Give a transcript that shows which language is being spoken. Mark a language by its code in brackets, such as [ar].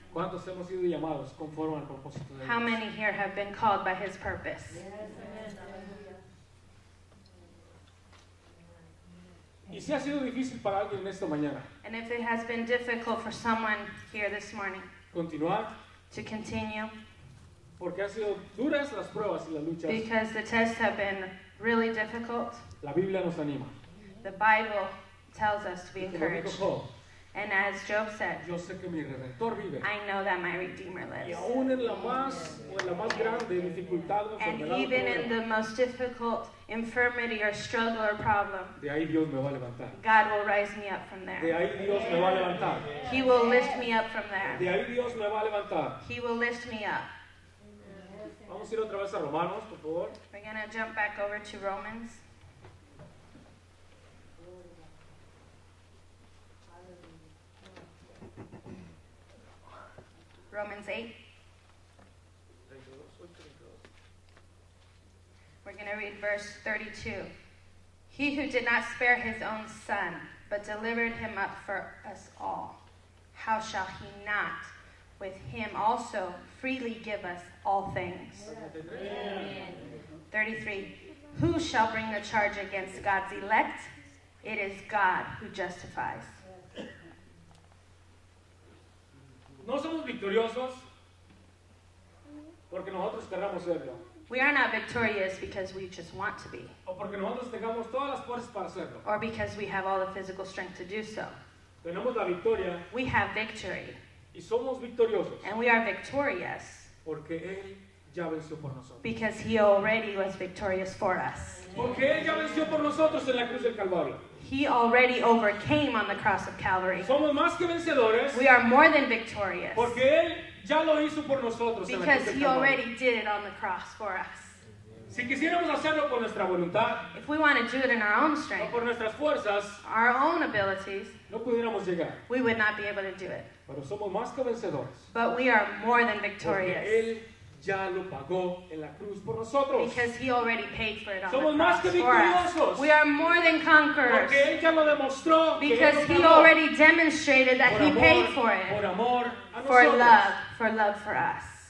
[es] ¿Cuántos hemos sido llamados conforme al propósito de Dios? [en] How many here have been called by his purpose? Yes, amen. [es] Y si ha sido difícil para alguien en esta mañana. [en] And if it has been difficult for someone here this morning. [es] Continuar. [en] To continue. [es] Porque ha sido duras las pruebas y las luchas. [en] Because the tests have been really difficult. [es] La Biblia nos anima. [en] The Bible tells us to be encouraged. [es] Y como dijo Job, [en] and as Job said. [es] Yo sé que mi Redentor vive. [en] I know that my Redeemer lives. [es] Y aún en la más, o en la más grande dificultad o [en] and even [es] problema, [en] in the most difficult infirmity or struggle or problem, [es] de ahí Dios me va a levantar. [en] God will rise me up from there. [es] De ahí Dios me va a levantar. [en] He will lift me up from there. [es] De ahí Dios me va a levantar. [en] He will lift me up. [es] Vamos a ir otra vez a Romanos, por favor. [en] We're going to jump back over to Romans. Romans 8. We're going to read verse 32. He who did not spare his own son, but delivered him up for us all, how shall he not with him also freely give us all things? Yes. Amen. 33. Who shall bring the charge against God's elect? It is God who justifies. [es] No somos victoriosos porque nosotros queramos serlo. [en] We are not victorious because we just want to be. [es] O porque nosotros tengamos todas las fuerzas para serlo. [en] Or because we have all the physical strength to do so. [es] Tenemos la victoria. [en] We have victory. [es] Y somos victoriosos. [en] And we are victorious. [es] Porque él ya venció por nosotros. [en] Because he already was victorious for us. [es] Porque él ya venció por nosotros en la cruz del Calvario. [en] He already overcame on the cross of Calvary. [es] Somos más que vencedores. [en] We are more than victorious. [es] Porque él ya lo hizo por nosotros. [en] Because he already did it on the cross for us. [es] Si quisiéramos hacerlo por nuestra voluntad, [en] if we want to do it in our own strength, [es] o por nuestras fuerzas, [en] our own abilities, [es] no pudiéramos llegar. [en] We would not be able to do it. [es] Pero somos más que vencedores. [en] But we are more than victorious. [es] Porque él ya lo pagó en la cruz por nosotros. [en] Because he already paid for it on [es] somos [en] the cross [es] más que victoriosos. [en] For us. We are more than conquerors. [es] Porque él ya lo demostró. [en] Because [es] que él [en] he [es] pagó. [en] Already demonstrated that [es] por [en] he [es] amor, [en] paid for it. [es] Por amor a [en] for [es] nosotros. [en] Love. For love for us.